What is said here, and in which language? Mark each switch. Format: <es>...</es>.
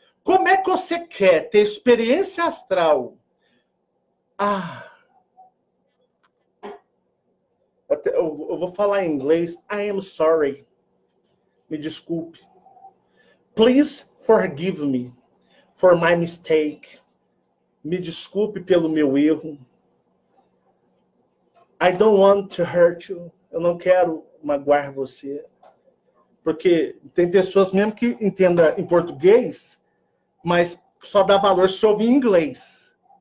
<pt>Como é que você quer ter experiência astral? Ah, eu vou falar em inglês.</pt> <en>I am sorry.</en> <pt>Me desculpe.</pt> <en>Please forgive me for my mistake.</en> <pt>Me desculpe pelo meu erro.</pt> <en>I don't want to hurt you.</en> <pt>Eu não quero magoar você. Porque tem pessoas mesmo que entendam em português, mas só dá valor se ouvir em inglês.</pt>